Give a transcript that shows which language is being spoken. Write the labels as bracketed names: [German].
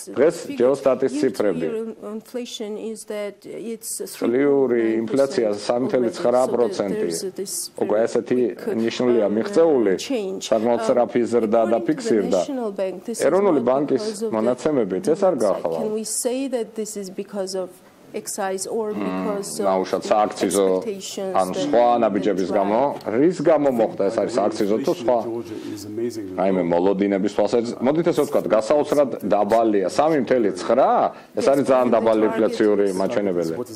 [Georgian] დღეს ჯეოსტატის ციფრები. ლიური ინფლაცია 3.9%. უკვე ესეთი ნიშნულია მიღწეული. საკმაოდ სწრაფი ზრდა და ფიქსირდა. ეროვნული ბანკის მონაცემებით ეს არ გახლავთ. [English] Can we say that this is because of excise or because of [Georgian] ან სხვა ნაბიჯების გამო, რის გამო მოხდა ეს არის სააქციზო თუ სხვა? აი მე მოლოდინების თვალსაზრისით, მოდით ესე ვთქვათ, გასაოცრად დაბალია 3.9, ეს არის ძალიან დაბალი ინფლაციური მაჩვენებელი.